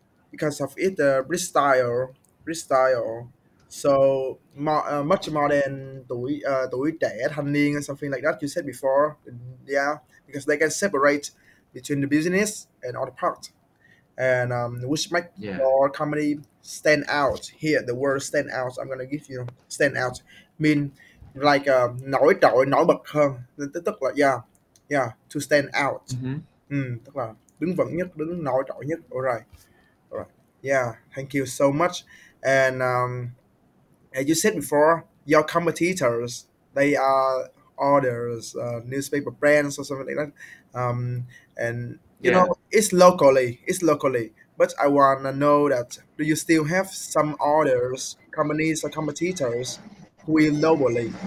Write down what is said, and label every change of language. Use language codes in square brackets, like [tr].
[en] Because of it, the freestyle. So much more than [vi] tuổi trẻ, thanh niên, [en] or something like that you said before. Yeah, because they can separate between the business and all the parts. And which makes your company stand out here. The word stand out, I'm going to give you stand out. Mean like [vi] nổi trội, nổi bật hơn. Tức là, [en] yeah, to stand out. Mm-hmm. [vi] Tức là đứng vững nhất, đứng nổi trội nhất. [en] All right. Yeah, thank you so much. And as you said before, your competitors, they are others, newspaper brands or something like that. It's locally, but I wanna know that, do you still have some others, companies or competitors who are globally?